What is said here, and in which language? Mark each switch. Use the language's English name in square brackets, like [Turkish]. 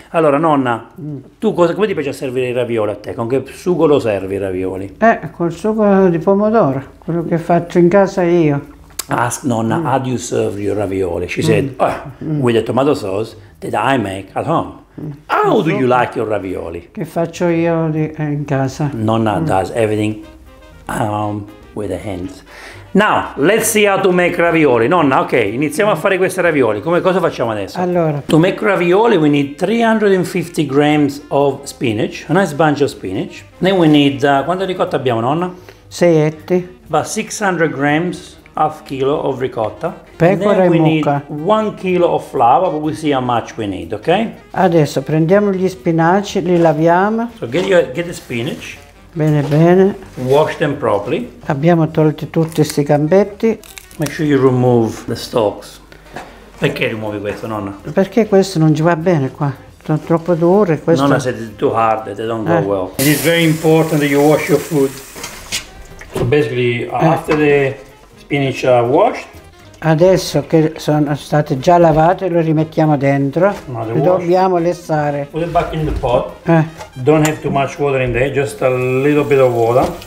[Italian] Allora, nonna, tu cosa, come ti piace servire i ravioli a te? Con che sugo lo servi i ravioli? Col sugo di pomodoro, quello che faccio in casa io. [English] Ask nonna, how do you serve your ravioli? She said, with the tomato sauce that I make at home. How do you like your ravioli? [Italian] Che faccio io in casa. [English] Nonna does everything with the hands. Now, let's see how to make ravioli. [Italian] Nonna, ok, iniziamo a fare queste ravioli. Come, cosa facciamo adesso? Allora, [English] to make ravioli, we need 350 grams of spinach, a nice bunch of spinach. Then we need, [Italian] quanta ricotta abbiamo, nonna? 6 etti. [English] About 600 grams, half kilo of ricotta. [Italian] Pecora e mucca. [English] Then we need 1 kilo of flour, but we see how much we need, ok? [Italian] Adesso prendiamo gli spinaci, li laviamo. [English] So get the spinach. [Italian] Bene, bene. [English] Wash them properly. [Italian] Abbiamo tolto tutti questi gambetti. [English] Make sure you remove the stalks. [Italian] Perché rimuovi questo, nonna? Perché questo non ci va bene qua. Sono troppo duri. Questo... [English] Nonna said it's too hard, they don't go well. It is very important that you wash your food. So basically, after the spinach are washed, [Italian] adesso che sono state già lavate, lo rimettiamo dentro. Dobbiamo lessare. [English] Put it back in the pot. Don't have too much water in there, just a little bit of water.